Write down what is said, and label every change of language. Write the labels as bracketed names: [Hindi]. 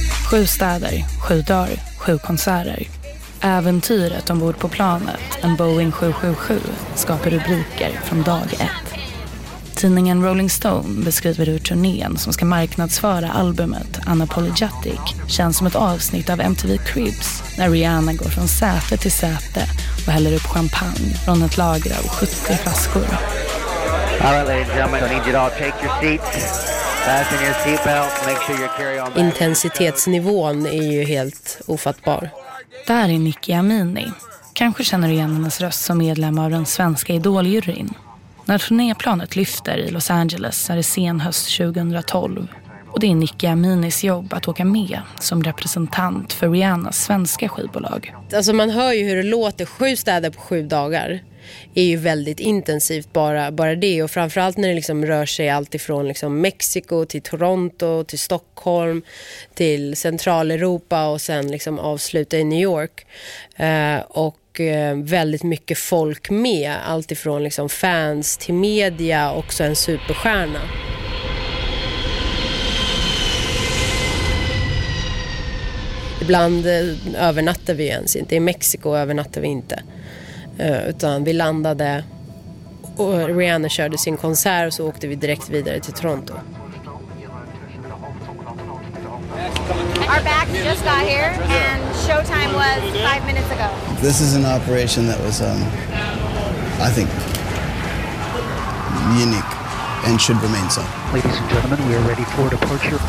[Swedish] Sju städer, sju dagar, sju konserter. Äventyret ombord på planet, en Boeing 777, skapar rubriker från dag ett. Tidningen Rolling Stone beskriver hur turnén som ska marknadsföra albumet Unapologetic känns som ett avsnitt av MTV Cribs när Rihanna går från säte till säte och häller upp champagne från ett lager av 70 flaskor. [English] All right, ladies and gentlemen, I need you to all take your seats. Fasten your seatbelt, make sure you carry on. [Swedish] Intensitetsnivån är ju helt ofattbar. Där är Nicki Amini. Kanske känner du igen hennes röst som medlem av den svenska idoljuryn. När turnéplanet lyfter i Los Angeles är det sen höst 2012. Och det är Nicki Aminis jobb att åka med som representant för Rihannas svenska skivbolag. Alltså man hör ju hur det låter. Sju städer på sju dagar är ju väldigt intensivt bara det. Och framförallt när det liksom rör sig allt ifrån liksom Mexiko till Toronto till Stockholm till Centraleuropa och sen liksom avsluta i New York. Och väldigt mycket folk med, allt ifrån liksom fans till media, också en superstjärna. Ibland övernattar vi ens inte. I Mexiko övernattar vi inte. Utan vi landade och Rihanna körde sin konsert och så åkte vi direkt vidare till Toronto. [English] Our bags just got here and showtime was 5 minutes ago. This is an operation that was, I think, unique and should remain so. Ladies and gentlemen, we are ready for departure.